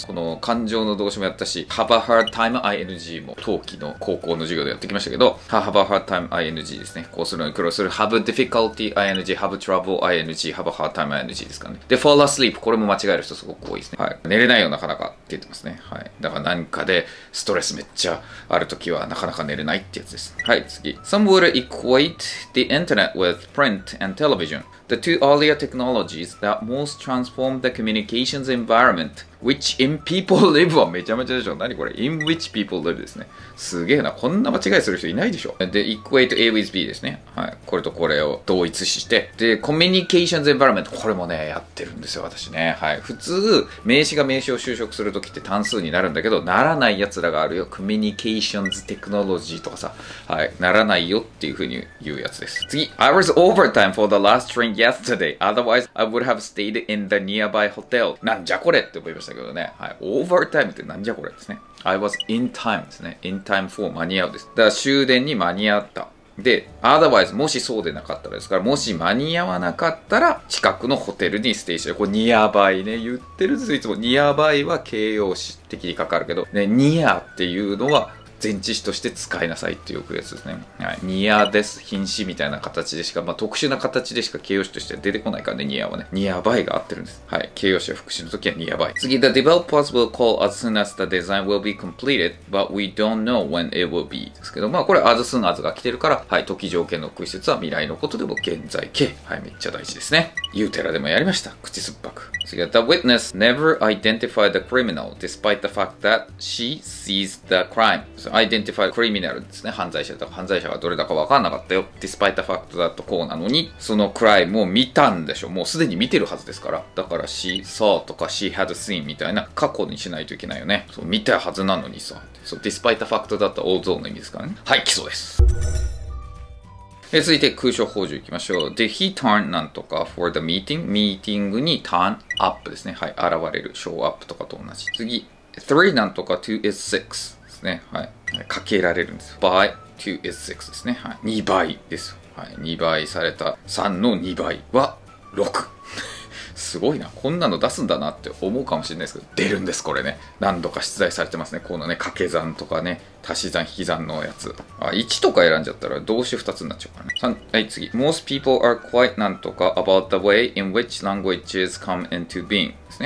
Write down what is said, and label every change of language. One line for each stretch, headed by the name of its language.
Japanese: この感情の動詞もやったし、have a hard time ing も、冬季の高校の授業でやってきましたけど、have a hard time ing ですね。こうするのに苦労する。
English: have difficulty ing, have trouble ing, have a hard time ing
Japanese: ですかね。で、fall asleep。これも間違える人すごく多いですね。はい。寝れないよ、なかなかって言ってますね。はい。だから何かで、ストレスめっちゃあるときは、なかなか寝れないってやつです。はい、次。
English: Some would equateThe internet with print and television, the two earlier technologies that most transformed the communications environment, which in people live
Japanese: はめちゃめちゃでしょ。何これ ?
English: in which people live ですね。
Japanese: すげえな。こんな間違いする人いないでしょ。で、equate A with B ですね。はい。これとこれを同一視して。で、communications environment。これもね、やってるんですよ、私ね。はい。普通、名詞が名詞を修飾するときって単数になるんだけど、ならない奴らがあるよ。 communications technology とかさ。はい。ならないよっていうふうに言うやつです。次。
English: I was overtime for the last train yesterday. Otherwise, I would have stayed in the nearby hotel.
Japanese: なんじゃこれって思いましたけどね。はい。overtime ってなんじゃこれですね。
English: I was in time
Japanese: ですね。 in time for 間に合うです。だから終電に間に合った。で、otherwise もしそうでなかったらですから、もし間に合わなかったら、近くのホテルにステイして、これ nearby ね、言ってるんですよ、いつも。 nearby は形容詞的にかかるけど、ね、near っていうのは、前置詞として使いなさいってよくやつですね。はい。near です。品詞みたいな形でしか、まあ、特殊な形でしか形容詞として出てこないからね、near はね。 nearby が合ってるんです。はい。形容詞は副詞の時は nearby。次、
English: the developers will call as soon as the design will be
Japanese: completed, but we don't know when it will be ですけど、まあ、これ as soon as が来てるから、はい。時条件の屈折は未来のことでも現在形。はい。めっちゃ大事ですね。ユーテラでもやりました。口酸っぱく。
English: 次、the witness never identified the criminal despite the fact that she sees the crime. Identify criminal ですね。
Japanese: 犯罪者とか犯罪者がどれだか分かんなかったよ。
English: Despite the fact
Japanese: だとこうなのに、そのクライムを見たんでしょ。もうすでに見てるはずですから。だから、
English: she saw
Japanese: とか
English: she had seen
Japanese: みたいな過去にしないといけないよね。そう、見たはずなのにさ。そう、Despite the fact だと although の意味ですからね。はい、基礎です。続いて、空床補充いきましょう。
English: Did he turn
Japanese: なんとか for the meeting? ミーティングに turn up ですね。はい、現れる。 show up とかと同じ。次、3なんとか2 is 6。ね、はい、かけられるんです。 by 2 is 6ですね。はい、2倍です。はい、2倍された3の2倍は6。すごいな。こんなの出すんだなって思うかもしれないですけど、出るんです、これね。何度か出題されてますね。このね、掛け算とかね、足し算、引き算のやつ。あ、1とか選んじゃったら動詞2つになっちゃうからね。 3、はい、次。
English: Most people are quite なんとか about the way in which languages come into being ですね。